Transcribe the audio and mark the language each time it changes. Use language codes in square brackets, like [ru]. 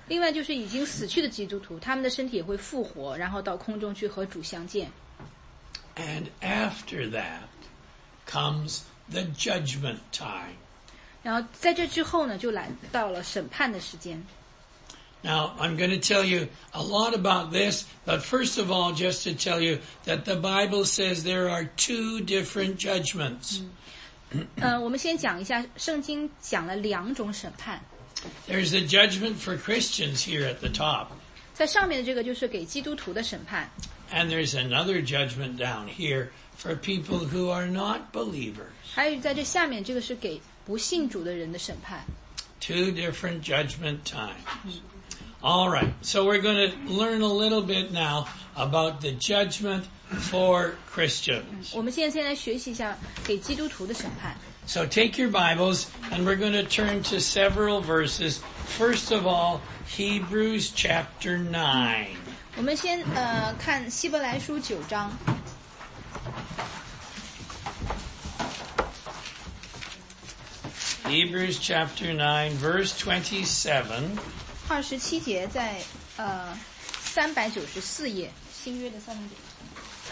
[zh] 另外就是已经死去的基督徒，他们的身体也会复活，然后到空中去和主相见。 [en] And after that comes the judgment time. [zh] 然后在这之后呢，就来到了审判的时间。 [en] Now, I'm going to tell you a lot about this, but first of all, just to tell you that the Bible says there are two different judgments. [zh] 我们先讲一下，圣经讲了两种审判。 [en] There's a judgment for Christians here at the top. [zh] 在上面的这个就是给基督徒的审判。 [en] And there's another judgment down here for people who are not believers. [zh] 还有在这下面，这个是给不信主的人的审判。 [en] Two different judgment times. All right, so we're going to learn a little bit now about the judgment for Christians. [zh] 我们现在学习一下给基督徒的审判。 [en] So take your Bibles, and we're going to turn to several verses. First of all, Hebrews chapter 9. [zh] 我们先看希伯来书九章。 [en] Hebrews chapter 9, verse 27. [zh] 二十七节在三百九十四页，新约的三百九十四页。